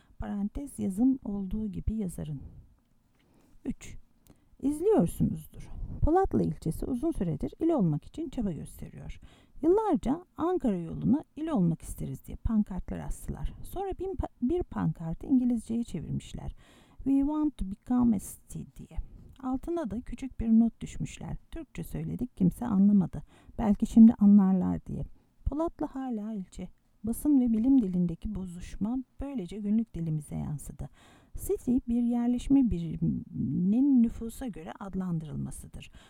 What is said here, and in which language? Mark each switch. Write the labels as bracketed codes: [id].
[tr] Parantez yazım olduğu gibi yazarın. 3. İzliyorsunuzdur. Polatlı ilçesi uzun süredir il olmak için çaba gösteriyor. Yıllarca Ankara yoluna il olmak isteriz diye pankartlar astılar. Sonra bir pankartı İngilizceye çevirmişler. [en] We want to become a city diye. [tr] Altına da küçük bir not düşmüşler. Türkçe söyledik, kimse anlamadı. Belki şimdi anlarlar diye. Polatlı hala ilçe. Basın ve bilim dilindeki bozuşma böylece günlük dilimize yansıdı. City bir yerleşme biriminin nüfusa göre adlandırılmasıdır.